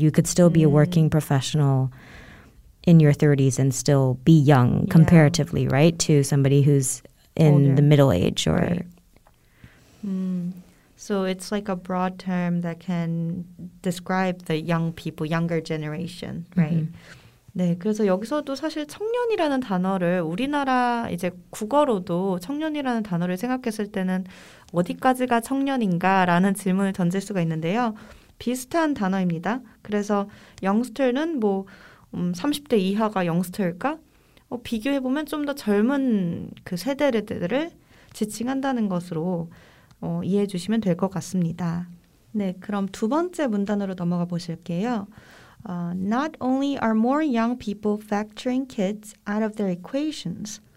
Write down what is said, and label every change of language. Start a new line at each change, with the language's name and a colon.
English: You could still be a working professional in your 30s and still be young comparatively, yeah. right, to somebody who's in older. The middle age. Or. So it's like a broad term that can describe the young people, younger generation, right? Mm-hmm.
Korean: 네, 그래서 여기서도 사실 청년이라는 단어를 우리나라 이제 국어로도 청년이라는 단어를 생각했을 때는 어디까지가 청년인가라는 질문을 던질 수가 있는데요. 비슷한 단어입니다. 그래서 youngster는 뭐 30대 이하가 youngster일까? 비교해보면 좀 더 젊은 그 세대들을 지칭한다는 것으로 이해해 주시면 될 것 같습니다. 네, 그럼 두 번째 문단으로 넘어가 보실게요.
English: Not only are more young people factoring kids out of their equations.